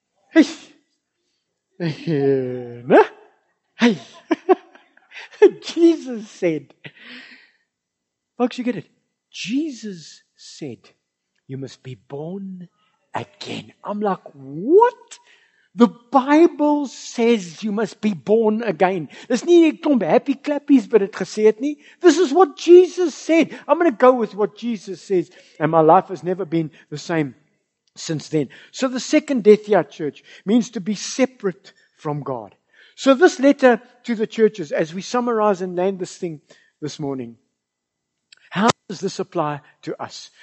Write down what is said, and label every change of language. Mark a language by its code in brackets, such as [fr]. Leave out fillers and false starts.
[en] Hey! Hey! Jesus said, folks, you get it? Jesus said, you must be born again. I'm like, what? The Bible says you must be born again. [af] Dis nie 'n klomp [en] happy clappies [af] wat dit gesê het nie. [en] This is what Jesus said. I'm going to go with what Jesus says. And my life has never been the same since then. So the second death here, church, means to be separate from God. So this letter to the churches, as we summarize and land this thing this morning, how does this apply to us?